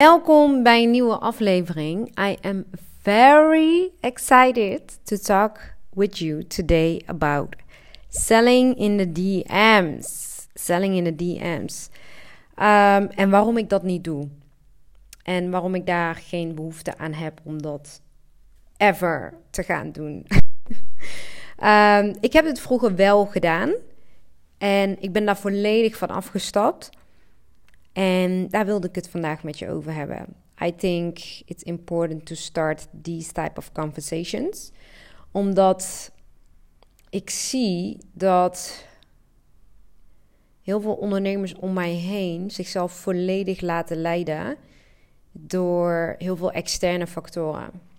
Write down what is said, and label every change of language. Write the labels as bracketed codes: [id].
[nl] Welkom bij een nieuwe aflevering. [en] I am very excited to talk with you today about selling in the DM's. Selling in the DM's. [nl] En waarom ik dat niet doe. En waarom ik daar geen behoefte aan heb om dat ever te gaan doen. ik heb het vroeger wel gedaan. En ik ben daar volledig van afgestapt. En daar wilde ik het vandaag met je over hebben. [en] I think it's important to start these type of conversations. [nl] Omdat ik zie dat heel veel ondernemers om mij heen zichzelf volledig laten leiden door heel veel externe factoren.